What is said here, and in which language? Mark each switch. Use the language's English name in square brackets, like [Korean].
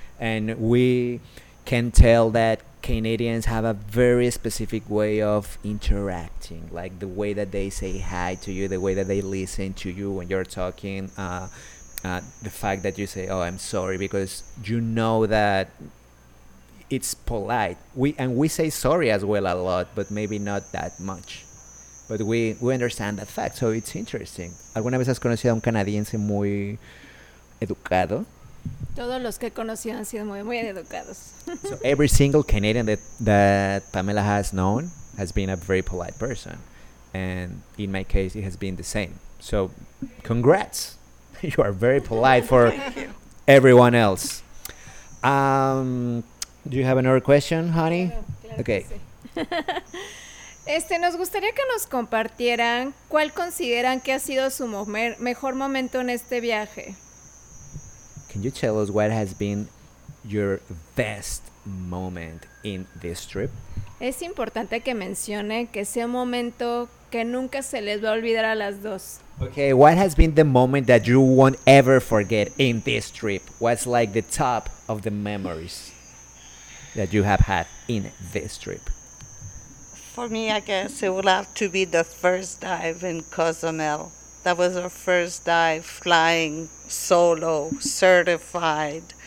[English] And we can tell that Canadians have a very specific way of interacting, like the way that they say hi to you, the way that they listen to you when you're talking, the fact that you say, oh, I'm sorry, because you know that it's polite. We say sorry as well a lot, but maybe not that much. But we understand that fact, so it's interesting. [Spanish] ¿Alguna vez has conocido a un canadiense muy educado? Todos los que he conocido han sido muy, muy educados. [English] So every single Canadian that Pamela has known has been a very polite person. And in my case, it has been the same. So congrats. You are very polite for everyone else. Do you have another question, honey? [Spanish] Claro, okay. Sí. Nos gustaría que nos compartieran cuál consideran que ha sido su mejor momento en este viaje. [English] Can you tell us what has been your best moment in this trip? [Spanish] Es importante que mencione que sea un momento que nunca se les va a olvidar a las dos. [English] Okay, what has been the moment that you won't ever forget in this trip? What's like the top of the memories that you have had in this trip? For me, I guess it would have to be the first dive in Cozumel. That was our first dive flying solo, certified.